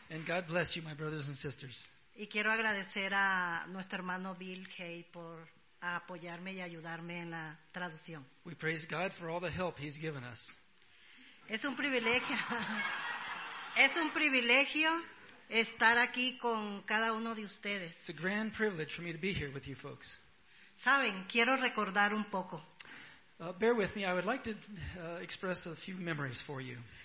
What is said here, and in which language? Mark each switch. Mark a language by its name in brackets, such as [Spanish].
[English] And God bless you, my brothers and sisters. [Spanish] Y quiero agradecer a nuestro hermano Bill Hay por apoyarme y ayudarme en la traducción. [English] We praise God for all the help he's given us. [Spanish] Es un privilegio. Es un privilegio estar aquí con cada uno de ustedes. [English] It's a grand privilege for me to be here with you folks. [Spanish] Saben, quiero recordar un poco. [English] Bear with me, I would like to express a few memories for you.